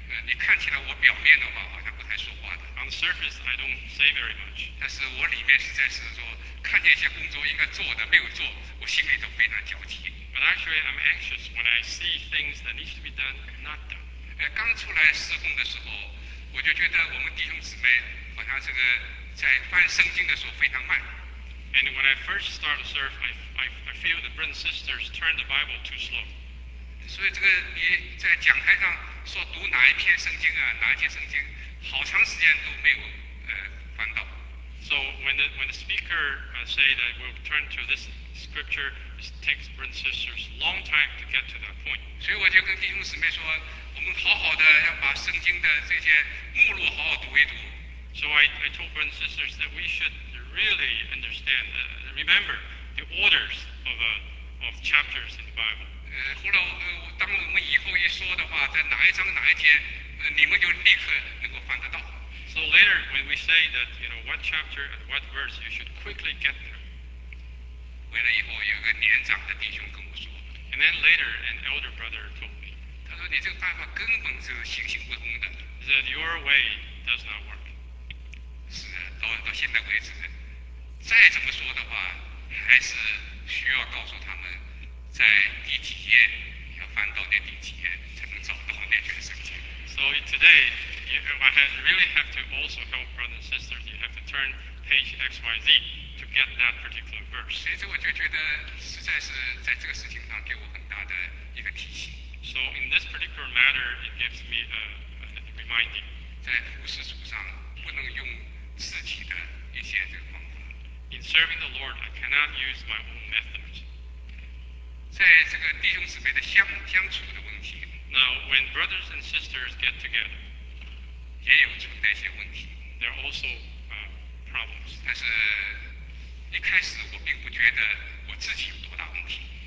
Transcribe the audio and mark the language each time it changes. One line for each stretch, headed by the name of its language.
Chinese: 你看起来我表面的话好像不太说话的。
English: On the surface, I don't say very much.
Chinese: 但是我里面实在是说。看见一些工作应该做的没有做，我心里都非常焦急。
English: But actually, I'm anxious when I see things that need to be done and not done.
Chinese: 刚出来侍奉的时候，我就觉得我们弟兄姊妹好像这个在翻圣经的时候非常慢。
English: And when I first started to serve, I feel the brothers and sisters turn the Bible too slow.
Chinese: 所以这个你在讲台上说读哪一篇圣经啊，哪一节圣经，好长时间都没有翻到。
English: So when the speaker say that we'll turn to this scripture, it takes brothers and sisters a long time to get to that point.
Chinese: 所以我就跟弟兄姊妹说，我们好好的要把圣经的这些目录好好读一读。
English: So I told brothers and sisters that we should really understand, remember the orders of chapters in the Bible.
Chinese: 后来当我们以后一说的话，在哪一章哪一节，你们就立刻能够翻得到。
English: So later, when we say that, you know, what chapter and what verse, you should quickly get there.
Chinese: 回来以后，有个年长的弟兄跟我说。
English: And then later, an elder brother told me.
Chinese: 他说你这个办法根本是行行不通的。
English: He said your way does not work.
Chinese: 是啊，到现在为止，再怎么说的话，还是需要告诉他们，在第几页要翻到那第几页，才能找到那卷圣经。
English: So today, you really have to also help brothers and sisters. You have to turn page XYZ to get that particular verse.
Chinese: 所以这我就觉得实在是在这个事情上给我很大的一个提醒。
English: So in this particular matter, it gives me a reminding.
Chinese: 在服事主上不能用自己的一些这个方法。
English: In serving the Lord, I cannot use my own methods.
Chinese: 在这个弟兄姊妹的相处的问题。
English: Now, when brothers and sisters get together,
Chinese: 也有存在一些问题。
English: There are also problems.
Chinese: 但是一开始我并不觉得我自己有多大问题。